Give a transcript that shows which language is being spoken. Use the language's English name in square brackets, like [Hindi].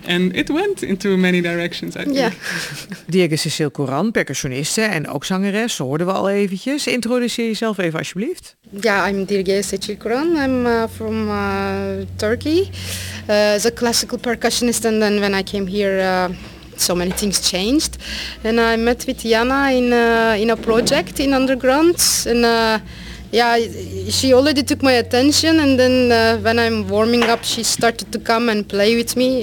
[English] And it went into many directions, I think. Yeah. [Dutch] Dirge Cécile Couran, percussioniste en ook zangeres, hoorden we al eventjes. Introduceer jezelf even alsjeblieft. [English] Yeah, I'm Dirge Cécile Couran. I'm from Turkey. As a classical percussionist, and then when I came here, so many things changed. And I met with Janna in a project in Underground. And yeah, she already took my attention. And then when I'm warming up, she started to come and play with me.